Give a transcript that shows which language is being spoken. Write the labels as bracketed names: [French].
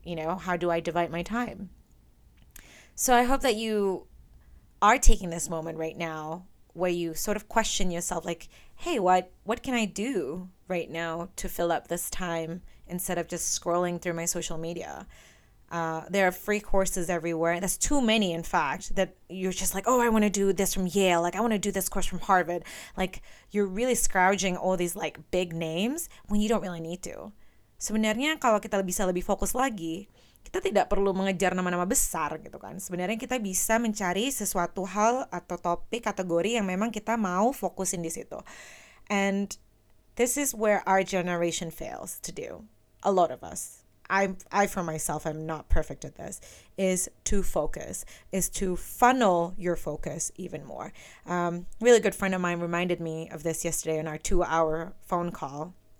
[English] You know, how do I divide my time? So I hope that you are taking this moment right now where you sort of question yourself, like, hey, what can I do right now to fill up this time instead of just scrolling through my social media? There are free courses everywhere. That's too many, in fact, that you're just like, oh, I want to do this from Yale. Like, I want to do this course from Harvard. Like, you're really scrounging all these, like, big names when you don't really need to. [Indonesian] Sebenarnya kalau kita bisa lebih fokus lagi, kita tidak perlu mengejar nama-nama besar gitu kan. Sebenarnya kita bisa mencari sesuatu hal atau topik, kategori yang memang kita mau fokusin di situ. [English] And this is where our generation fails to do. A lot of us. I for myself, I'm not perfect at this, is to focus, is to funnel your focus even more. Really good friend of mine reminded me of this yesterday in our 2-hour phone call.